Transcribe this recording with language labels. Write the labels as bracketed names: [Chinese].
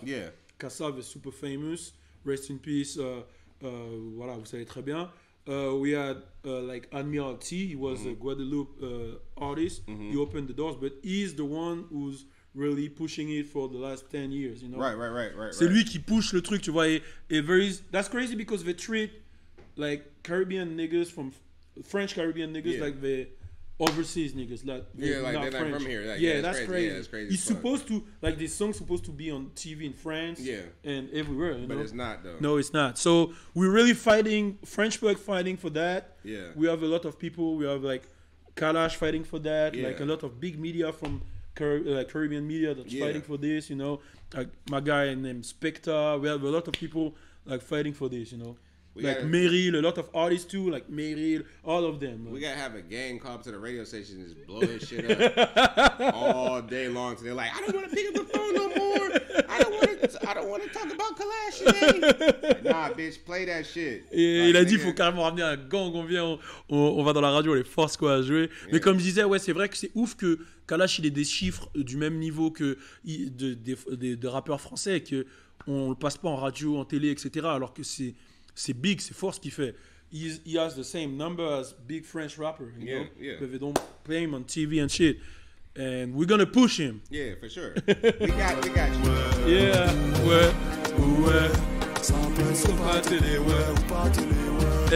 [English] Yeah. Kassav is super famous. Rest in peace. [French] Voilà, vous savez très bien. [English] We had like Admiralty. He was a Guadeloupe artist. Mm-hmm. He opened the doors, but he's the one who's really pushing it for the last 10 years, you know? Right. [French] C'est lui qui push le truc, tu vois. [English] That's crazy because they treat like Caribbean niggas from French Caribbean niggas like the overseas niggas. They're not French. From here. That's crazy. Yeah, that's crazy. He's supposed to, like, this song's supposed to be on TV in France and everywhere, you know? But it's not, though. No, it's not. So we're really fighting, French folk fighting for that. Yeah. We have a lot of people. We have, like, Kalash fighting for that. Yeah. Like, a lot of big media from Caribbean media that's fighting for this, you know, like my guy named Spectre. We have a lot of people like fighting for this, you know, Meryl, a lot of artists too, like Meryl, all of them. We gotta have a gang call up to the radio station and just blow this shit up all day long. So they're like, I don't want to pick up the phone no more. I don't want to talk about Kalash today. Nah, bitch, play that shit. [French] Il a dit, il faut carrément ramener un gang. On va dans la radio, on les force quoi à jouer. Yeah. Mais comme je disais, ouais, c'est vrai que c'est ouf que Kalash, il ait des chiffres du même niveau que de rappeurs français, qu'on ne le passe pas en radio, en télé, etc. Alors que c'est big, c'est fort ce qu'il fait. [English] He has the same number as big French rapper. You know? Yeah. But they don't play him on TV and shit. And we're gonna push him. Yeah, for sure. We got you. Yeah. Ouais. Ouais. [French] Sans pas télé, ouais. Ou pas télé, ouais.